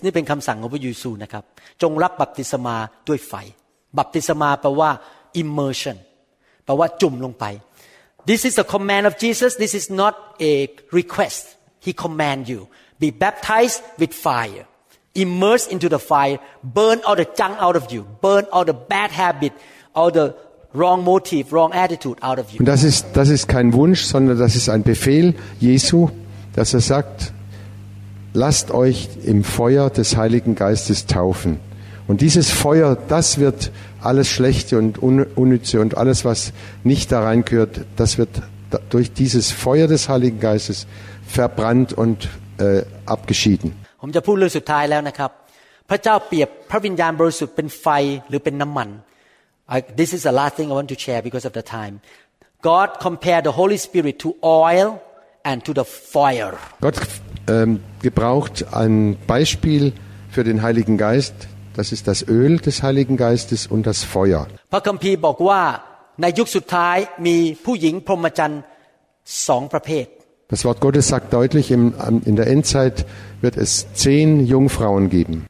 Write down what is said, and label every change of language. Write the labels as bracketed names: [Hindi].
[Thai] นี่เป็นคำสั่งของพระเยซูนะครับ จงรับบัพติศมาด้วยไฟ บัพติศมาแปลว่า immersion แปลว่าจุ่มลงไป [English] This is a command of Jesus. This is not a request. He command you be baptized with fire, immerse into the fire, burn all the junk out of you, burn all the bad habit, all the wrong motive, wrong attitude out of you. [German] Und das ist kein Wunsch, sondern das ist ein Befehl Jesu, dass er sagt, lasst euch im Feuer des Heiligen Geistes taufen. Und dieses Feuer, das wird alles Schlechte und Unnütze und alles, was nicht da reingehört, das wird durch dieses Feuer des Heiligen Geistes verbrannt und abgeschieden. [Thai] ผมจะพูดเรื่องสุดท้ายแล้วนะครับพระเจ้าเปรียบพระวิญญาณบริสุทธิ์เป็นไฟหรือเป็นน้ำมัน [English] This is the last thing I want to share because of the time. God compared the Holy Spirit to oil and to the fire. [German] Gott gebraucht ein Beispiel für den Heiligen Geist. Das ist das Öl des Heiligen Geistes und das Feuer. [Thai] พระคัมภีร์บอกว่าในยุคสุดท้ายมีผู้หญิงพรหมจรรย์สองประเภท [German] Das Wort Gottes sagt deutlich, in der Endzeit wird es 10 Jungfrauen geben.